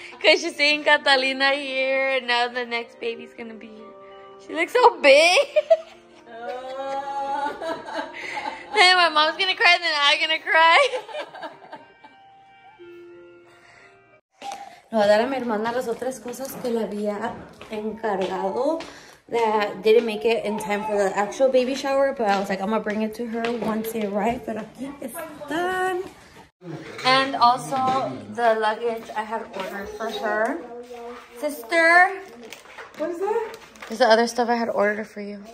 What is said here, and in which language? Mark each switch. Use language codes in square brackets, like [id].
[en] Because she's seeing Catalina here, and now the next baby's going to be here. She looks so big. Then my mom's going to cry, and then I'm going to cry. [es] Le voy a dar a mi hermana las otras cosas que le había encargado. [en] That didn't make it in time for the actual baby shower, but I was like, I'm gonna bring it to her once it arrives. [es] Pero aquí están. [en] And also the luggage I had ordered for her. Sister. What is that? It's the other stuff I had ordered for you.